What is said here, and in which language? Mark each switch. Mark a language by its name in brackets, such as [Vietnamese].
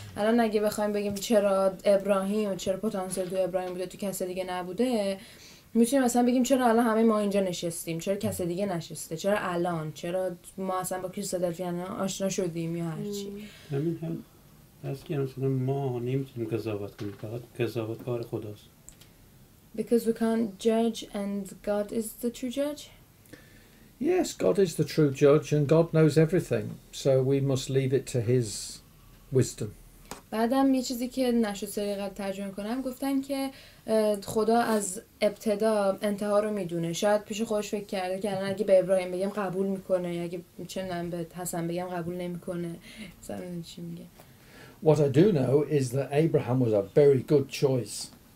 [Persian] الان اگه بخوایم بگیم چرا ابراهیم و چرا پتانسیل تو ابراهیم بوده تو کسی دیگه نبوده، میتونیم مثلا بگیم چرا الان همه ما اینجا نشستیم، چرا کسی دیگه نشسته، چرا الان، چرا ما اصلا با کریستادلفیان آشنا شدیم یا هرچی. همین هم هست که مثلا ما نمیتونیم قضاوت کنیم، فقط قضاوت کار خداست. [English] Because we can't judge and God is the true judge? Yes, God is the true judge and God knows everything. So we must leave it to his wisdom. [Persian] بعدم یه چیزی که نشد سریقت ترجمه کنم گفتن که خدا از ابتدا انتها رو میدونه. شاید پیش خودش فکر کرده که الان اگه به ابراهیم بگم قبول میکنه، اگه چندم به حسن بگم قبول نمیکنه. مثلا چی میگه؟ [English] What I do know is that Abraham was a very good choice.